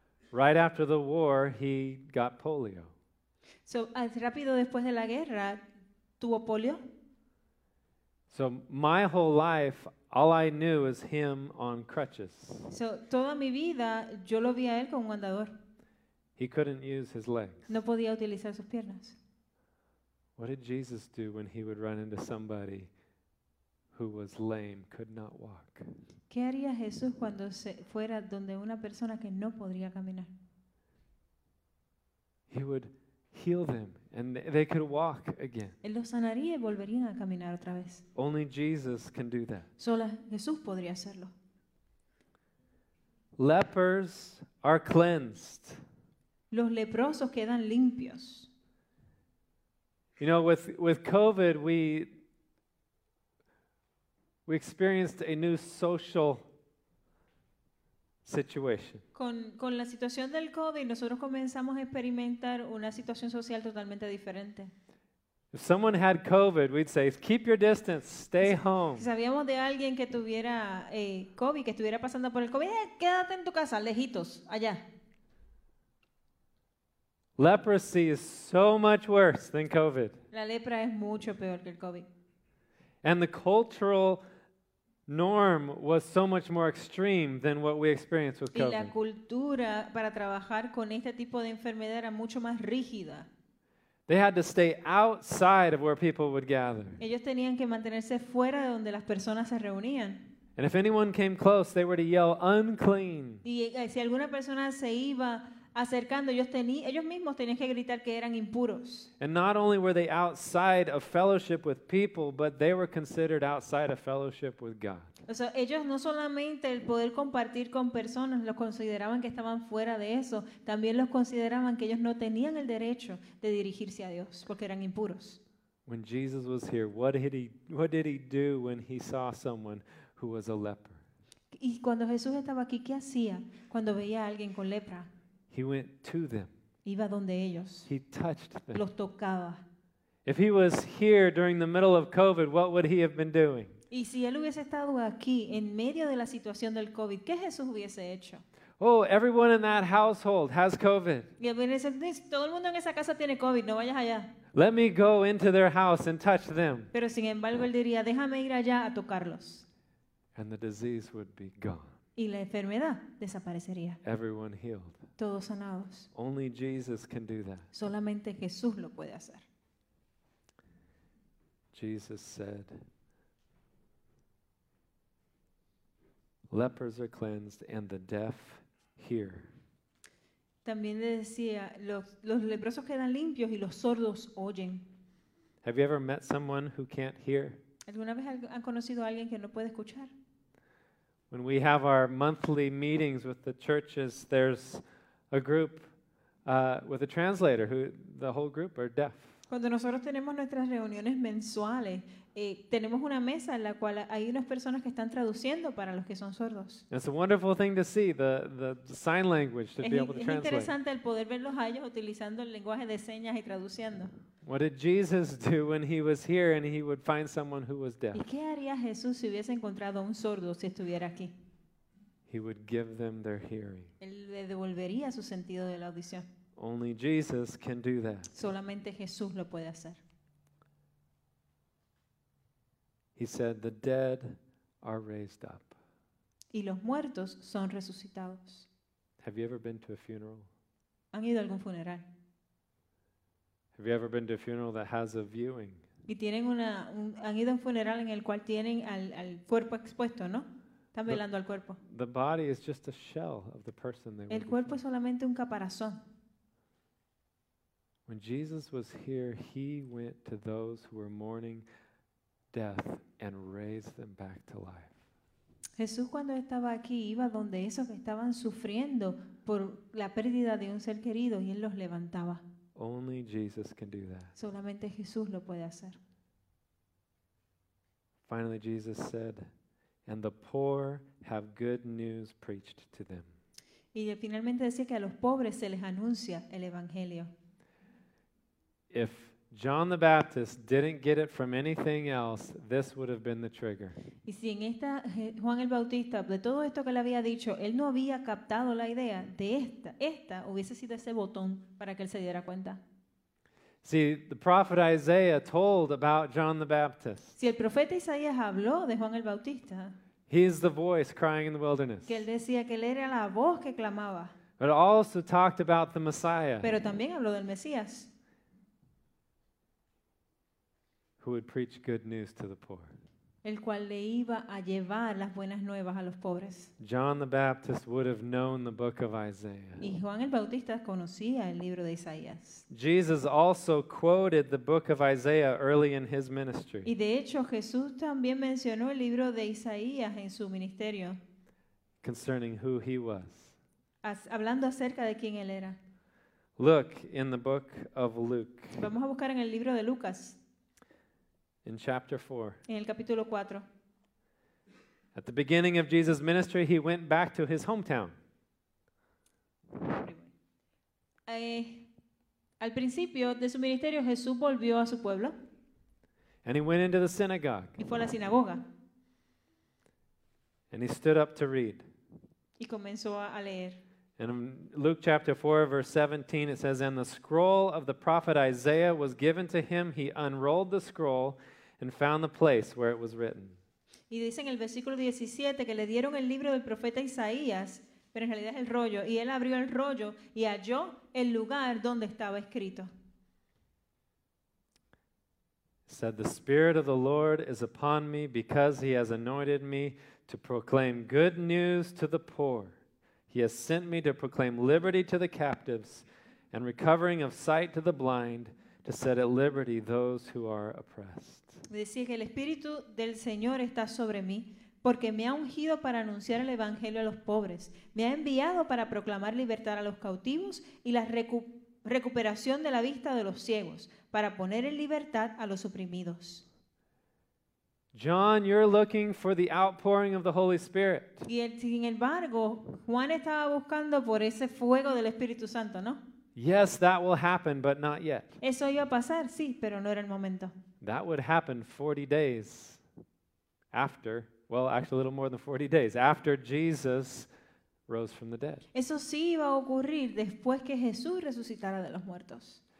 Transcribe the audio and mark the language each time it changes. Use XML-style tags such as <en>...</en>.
<en>Right after the war, he got polio.</en> <es>So, rápido después de la guerra, tuvo polio.</es> <en>So, my whole life, all I knew is him on crutches.</en> <es>So, toda mi vida, yo lo vi a él con un andador.</es> <en>He couldn't use his legs.</en> <es>No podía utilizar sus piernas.</es> <en>What did Jesus do when he would run into somebody who was lame, could not walk?</en> <es>¿Qué haría Jesús cuando se fuera donde una persona que no podría caminar?</es> <en>He would heal them and they could walk again.</en> <es>Él los sanaría y volverían a caminar otra vez.</es> <en>Only Jesus can do that.</en> <es>Solo Jesús podría hacerlo.</es> <en>Lepers are cleansed.</en> <es>Los leprosos quedan limpios.</es> <en>You know, with COVID, we experienced a new social situation.</en> <es>Con la situación del COVID, nosotros comenzamos a experimentar una situación social totalmente diferente.</es> <en>If someone had COVID, we'd say, "Keep your distance, stay home."</en> <es>Si sabíamos de alguien que tuviera COVID, que estuviera pasando por el COVID, quédate en tu casa, lejitos, allá.</es> <en>Leprosy is so much worse than COVID.</en> <es>La lepra es mucho peor que el COVID.</es> <en>And the cultural norm was so much more extreme than what we experienced with COVID.</en> <es>Y la cultura para trabajar con este tipo de enfermedad era mucho más rígida.</es> <en>They had to stay outside of where people would gather.</en> <es>Ellos tenían que mantenerse fuera de donde las personas se reunían.</es> <en>And if anyone came close, they were to yell unclean.</en> <es>Y si alguna persona se iba acercando, ellos mismos tenían que gritar que eran impuros.</es> <en>And not only were they outside of fellowship with people, but they were considered outside of fellowship with God.</en> <es>O sea, ellos no solamente el poder compartir con personas los consideraban que estaban fuera de eso, también los consideraban que ellos no tenían el derecho de dirigirse a Dios porque eran impuros.</es> <en>When Jesus was here, what did he do when he saw someone who was a leper?</en> <es>Y cuando Jesús estaba aquí, ¿qué hacía cuando veía a alguien con lepra?</es> <en>He went to them.</en> <es>Iba donde ellos.</es> <en>He touched them.</en> <es>Los tocaba.</es> <en>If he was here during the middle of COVID, what would he have been doing?</en> <es>Y si él hubiese estado aquí en medio de la situación del COVID, ¿qué Jesús hubiese hecho?</es> <en>Oh, everyone in that household has COVID.</en> <es>Todo el mundo en esa casa tiene COVID, no vayas allá.</es> <en>Let me go into their house and touch them.</en> <es>Pero sin embargo él diría, déjame ir allá a tocarlos.</es> <en>And the disease would be gone.</en> <es>Y la enfermedad desaparecería.</es> <en>Everyone healed.</en> <es>Todos sanados.</es> <en>Only Jesus can do that.</en> <es>Solamente Jesús lo puede hacer.</es> <en>Jesus said, "Lepers are cleansed and the deaf hear.</en> <es>También le decía, los leprosos quedan limpios y los sordos oyen.</es> <en>Have you ever met someone who can't hear?</en> <es>¿Alguna vez han conocido a alguien que no puede escuchar?</es> <en>When we have our monthly meetings with the churches, there's a group with a translator who the whole group are deaf.</en> <es>Cuando nosotros tenemos nuestras reuniones mensuales, tenemos una mesa en la cual hay unas personas que están traduciendo para los que son sordos.</es> <en>It's a wonderful thing to see the sign language to be able to translate.</en> <es>Es interesante el poder verlos a ellos utilizando el lenguaje de señas y traduciendo.</es> <en>What did Jesus do when he was here and he would find someone who was deaf?</en> <es>¿Y qué haría Jesús si hubiese encontrado a un sordo si estuviera aquí?</es> <en>He would give them their hearing.</en> <es>Él le devolvería su sentido de la audición.</es> <en>Only Jesus can do that.</en> <es>Solamente Jesús lo puede hacer.</es> <en>He said, "The dead are raised up."</en> <es>Y los muertos son resucitados.</es> <en>Have you ever been to a funeral?</en> <es>¿Han ido a algún funeral?</es> <en>Have you ever been to a funeral that has a viewing?</en> <es>¿Y tienen han ido a un funeral en el cual tienen al cuerpo expuesto, no? Están velando al cuerpo.</es> <en>The body is just a shell of the person they.</en> <es>El cuerpo es solamente un caparazón.</es> <en>When Jesus was here, he went to those who were mourning death and raised them back to life.</en> <es>Jesús cuando estaba aquí iba donde esos que estaban sufriendo por la pérdida de un ser querido y él los levantaba.</es> <en>Only Jesus can do that.</en> <es>Solamente Jesús lo puede hacer.</es> <en>Finally, Jesus said, "And the poor have good news preached to them."</en> <es>Y finalmente decía que a los pobres se les anuncia el evangelio.</es> <en>If John the Baptist didn't get it from anything else, this would have been the trigger.</en> <es>Y si en esta Juan el Bautista, de todo esto que le había dicho, él no había captado la idea de esta hubiese sido ese botón para que él se diera cuenta.</es> <en>See, the prophet Isaiah told about John the Baptist.</en> <es>Si el profeta Isaías habló de Juan el Bautista.</es> <en>He is the voice crying in the wilderness.</en> <es>Que él decía que él era la voz que clamaba.</es> <en>But also talked about the Messiah.</en> <es>Pero también habló del Mesías.</es> <en>Who would preach good news to the poor.</en> <es>El cual le iba a llevar las buenas nuevas a los pobres.</es> <en>John the Baptist would have known the book of Isaiah.</en> <es>Y Juan el Bautista conocía el libro de Isaías.</es> <en>Jesus also quoted the book of Isaiah early in his ministry.</en> <es>Y de hecho Jesús también mencionó el libro de Isaías en su ministerio.</es> <en>Concerning who he was.</en> <es>Hablando acerca de quién él era.</es> <en>Look in the book of Luke.</en> <es>Vamos a buscar en el libro de Lucas.</es> <en>In chapter 4.</en> <es>En el capítulo 4.</es> <en>At the beginning of Jesus' ministry, he went back to his hometown.</en> <es>Al principio de su ministerio, Jesús volvió a su pueblo.</es> <en>And he went into the synagogue.</en> <es>Y fue a la sinagoga.</es> <en>And he stood up to read.</en> <es>Y comenzó a leer.</es> <en>And in Luke chapter 4, verse 17, it says, "And the scroll of the prophet Isaiah was given to him. He unrolled the scroll and found the place where it was written."</en> <es>Y dice en el versículo 17 que le dieron el libro del profeta Isaías, pero en realidad es el rollo, y él abrió el rollo y halló el lugar donde estaba escrito.</es> <en>Said, "The Spirit of the Lord is upon me because he has anointed me to proclaim good news to the poor. He has sent me to proclaim liberty to the captives and recovering of sight to the blind, to set at liberty those who are oppressed."</en> <es>Decía que el Espíritu del Señor está sobre mí porque me ha ungido para anunciar el Evangelio a los pobres. Me ha enviado para proclamar libertad a los cautivos y la recuperación de la vista de los ciegos, para poner en libertad a los oprimidos.</es> <en>John, you're looking for the outpouring of the Holy Spirit.</en> <es>Y sin embargo, Juan estaba buscando por ese fuego del Espíritu Santo, ¿no?</es> <en>Yes, that will happen, but not yet.</en> <es>Eso iba a pasar, sí, pero no era el momento.</es> <en>That would happen 40 days after, well, actually a little more than 40 days, after Jesus rose from the dead.</en> <es>Eso sí iba a ocurrir después que Jesús resucitara de los muertos.</es>